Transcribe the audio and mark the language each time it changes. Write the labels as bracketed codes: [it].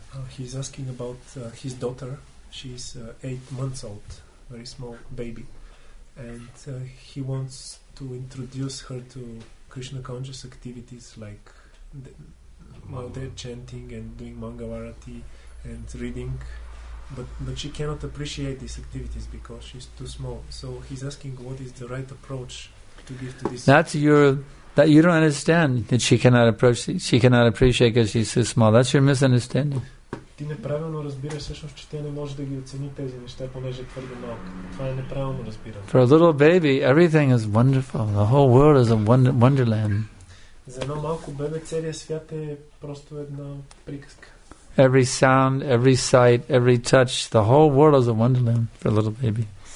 [en] He's asking about his daughter. She's 8 months old, very small baby, and he wants to introduce her to Krishna conscious activities like they're chanting and doing Mangalarati and reading. But she cannot appreciate these activities because she's too small. So he's asking what is the right approach to give to this. That you don't understand that she cannot appreciate because she's too small. That's your misunderstanding. [bg] Ти неправилно разбираш всъщност, че тя не може да ги оцени тези неща, понеже е твърде малка. Това е неправилно разбиране. [en] For a little baby, everything is wonderful. The whole world is a wonderland. [bg] За едно малко бебе целият свят е просто една приказка. [en] Every sound, every sight, every touch, the whole world is a wonderland for a little baby.